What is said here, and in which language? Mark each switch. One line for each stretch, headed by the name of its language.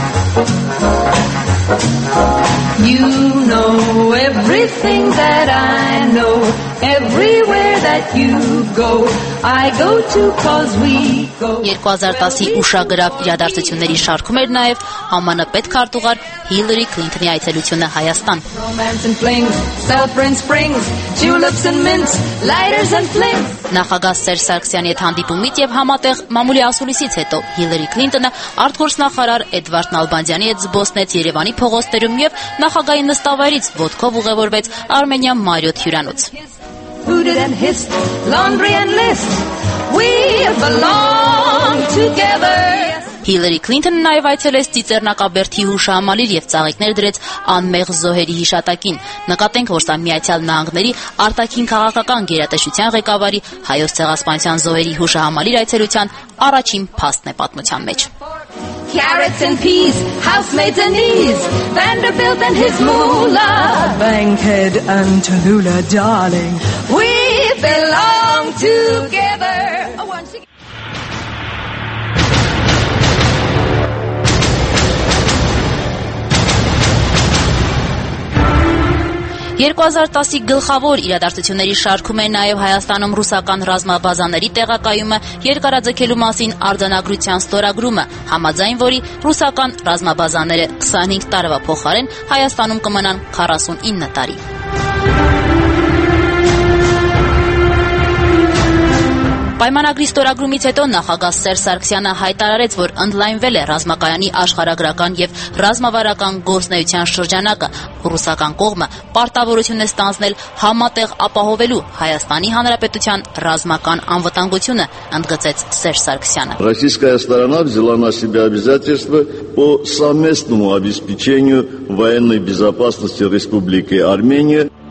English: You know everything that I know, everywhere that you go, I go to cause we go.
Armenian: 2010-ի ուշագրավ իրադարձությունների շարքում էր նաև ԱՄՆ պետքարտուղար Հիլարի Քլինթոնի այցելությունը Հայաստան։ Նախագահ Սերժ Սարգսյանի հետ հանդիպումից եւ համատեղ մամուլի ասուլիսից հետո Հիլարի Քլինթոնը արտգործնախարար Էդվարդ Նալբանդյանի հետ զբոսնեց Երևանի փողոցներում եւ նախագահի նստավայրից ոտքով ուղևորվեց Արմենիա Մարիոթ հյուրանոց։ Հիլարի Քլինթոնը նաև այցելեց ծիծեռնակաբերդի հուշահամալիր եւ ծաղիկներ դրեց անմեղ զոհերի հիշատակին։ Նկատենք, որ սա Միացյալ Նահանգների արտաքին քաղաքական գերատեսչության ղեկավարի հայոց ցեղասպանության զոհերի հուշահամալիր այցելության առաջին փաստն է պատմության մեջ։
English: Carrots and peas, housemaids and knees, Vanderbilt and his moolah, Bankhead and Tallulah, darling, we belong together.
Armenian: Երկուազարտասի գլխավոր իրադարձությունների շարքում է նաև Հայաստանում ռուսական ռազմաբազաների տեղակայումը երկարաձգելու մասին արձանագրության ստորագրումը, համաձայն որի ռուսական ռազմաբազաները 25 տարվա փոխարեն Հայաստանում կմնան 49 տարի։ Պայմանագրի ստորագրումից հետո նախագահ Սերժ Սարգսյանը հայտարարեց, որ ընդլայնվել է ռազմակայանի աշխարհագրական եւ ռազմավարական գործնեության շրջանակը, ռուսական կողմը պարտավորություն է ստանձնել համատեղ ապահովելու Հայաստանի Հանրապետության ռազմական անվտանգությունը, ընդգծեց Սերժ Սարգսյանը.
Russian: Ռուսիսկայա сторона взяла на себя обязательства по совместному обеспечению военной безопасности Республики Армения.